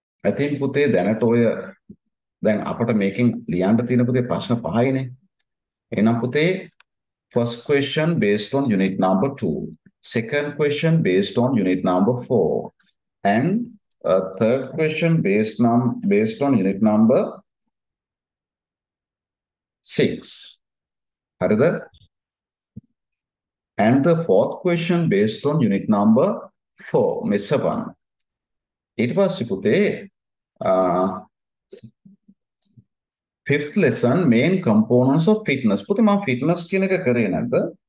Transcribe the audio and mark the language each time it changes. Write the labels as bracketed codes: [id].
[si] ඇතින් පුතේ දැනට ඔය දැන් අපට මේකෙන් ලියන්න තියෙන පුතේ ප්‍රශ්න පහයිනේ. එහෙනම් පුතේ [en] first question based on unit number 2, second question based on unit number 4, and third question based on unit number 6. හරිද? And the fourth question based on unit number 4, miss one. [si] ඊට පස්සේ පුතේ [en] fifth lesson main components of fitness. [si] පුතේ මම fitness කියන එක කරේ නැද්ද?